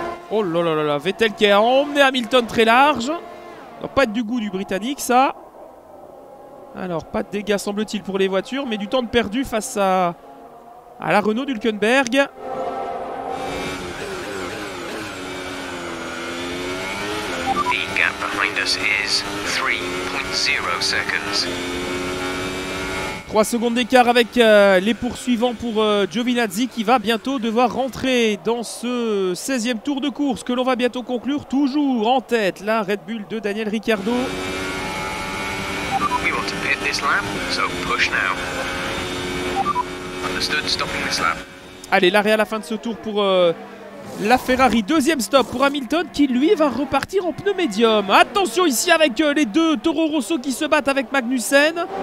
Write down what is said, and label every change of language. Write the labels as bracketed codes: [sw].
[fr] Oh là là là là, Vettel qui a emmené Hamilton très large. Ça doit pas être du goût du Britannique ça. Alors pas de dégâts semble-t-il pour les voitures, mais du temps de perdu face à la Renault d'Hülkenberg. [en] The gap behind us is 3.0 seconds. [fr] 3 secondes d'écart avec les poursuivants pour Giovinazzi qui va bientôt devoir rentrer dans ce 16e tour de course que l'on va bientôt conclure. Toujours en tête la Red Bull de Daniel Ricciardo. [en] We want to pit this lap, so push now. Understood, stopping this lap. [fr] Allez, l'arrêt à la fin de ce tour pour la Ferrari. Deuxième stop pour Hamilton qui lui va repartir en pneu médium. Attention ici avec les deux Toro Rosso qui se battent avec Magnussen.